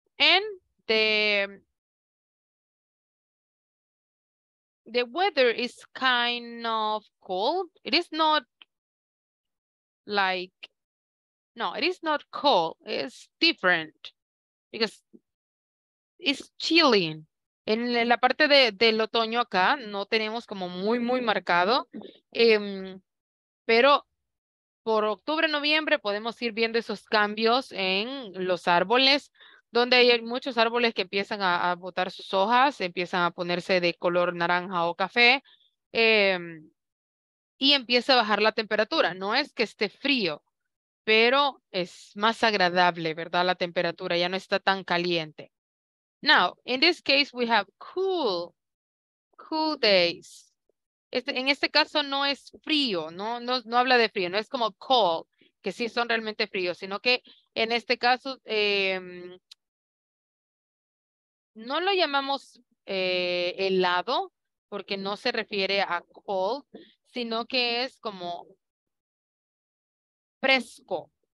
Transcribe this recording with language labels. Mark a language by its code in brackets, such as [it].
[en] And the weather is kind of cold. It is not like, no, it is not cold. It's different because it's chilling. [es] En la parte del otoño acá no tenemos como muy, muy marcado. Pero por octubre, noviembre podemos ir viendo esos cambios en los árboles, donde hay muchos árboles que empiezan a botar sus hojas, empiezan a ponerse de color naranja o café, y empieza a bajar la temperatura. No es que esté frío, pero es más agradable, ¿verdad? La temperatura ya no está tan caliente. [en] Now, in this case, we have cool days. [es] En este caso no es frío, no habla de frío, no es como cold, que sí son realmente fríos, sino que en este caso no lo llamamos helado, porque no se refiere a cold, sino que es como fresco.